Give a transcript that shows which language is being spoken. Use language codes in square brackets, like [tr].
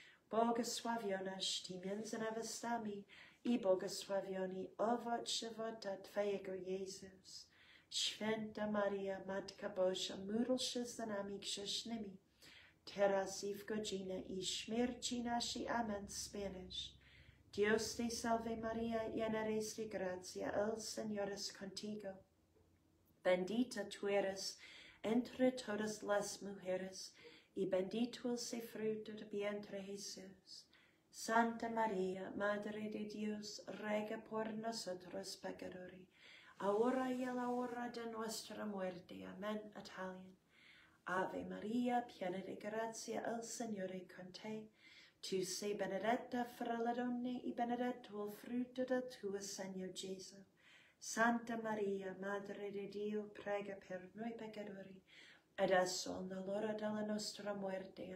[pl] Bogosławionaś ty między nevestami, i bogosławioni owoc żywota twojego, Jezus. Święta Maria, Matka Boża, módl się za nami grzesznymi, teraz i w godzinę i śmierci naszej. [en] Amen. Spanish. [es] Dios te salve Maria, llena eres de gracia, el Señor es contigo. Bendita tu eres entre todas las mujeres, y bendito es el fruto de vientre, Jesús. Santa María, Madre de Dios, ruega por nosotros pecadores, ahora y a la hora de nuestra muerte. Amén. Italian. [it] Ave Maria, piena di grazia, il Signore con te. Tu sei benedetta fra le donne, e benedetto il frutto del tuo seno, Gesù. Santa Maria, Madre di Dio, prega per noi peccatori, adesso, nell'ora della nostra morte.